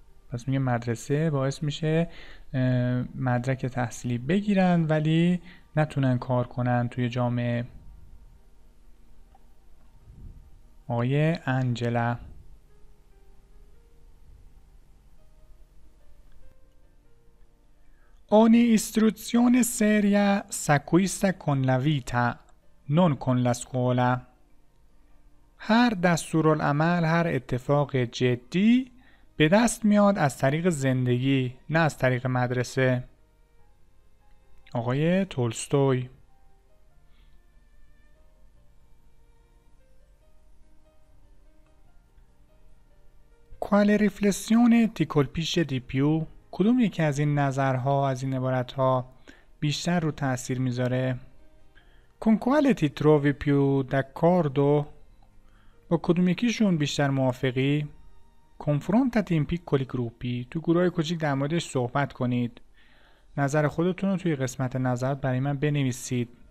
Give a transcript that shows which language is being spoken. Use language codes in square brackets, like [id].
[fa] پس میگه مدرسه باعث میشه مدرک تحصیلی بگیرن ولی نتونن کار کنن توی جامعه آقای انجلا [it] Ogni istruzione seria s'acquista con la vita, non con la scuola. [fa] هر دستورالعمل هر اتفاق جدی به دست میاد از طریق زندگی نه از طریق مدرسه. [it] آقای تولستوی Quale riflessione ti colpisce di più? [fa] کدوم یکی از این نظرها از این عبارتها بیشتر رو تأثیر میذاره؟ [it] Con quale ti trovi più d'accordo? [fa] با کدوم یکیشون بیشتر موافقی؟ [it] Confrontati in piccoli gruppi. [fa] تو گروه کوچیک در موردش صحبت کنید. نظر خودتون رو توی قسمت نظرات برای من بنویسید.